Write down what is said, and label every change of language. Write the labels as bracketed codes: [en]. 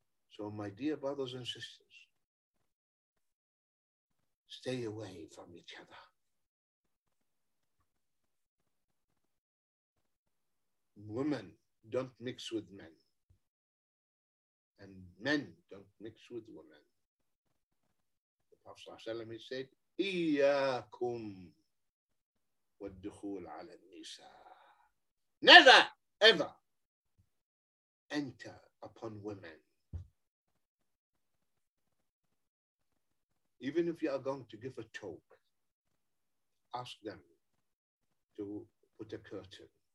[en] So my dear brothers and sisters, stay away from each other. Women don't mix with men. And men don't mix with women. The Prophet ﷺ, he said, [ar] إِيَّاكُمْ وَالدُّخُولَ عَلَى النِّسَاءِ. [en] Never, ever enter upon women. Even if you are going to give a talk, ask them to put a curtain.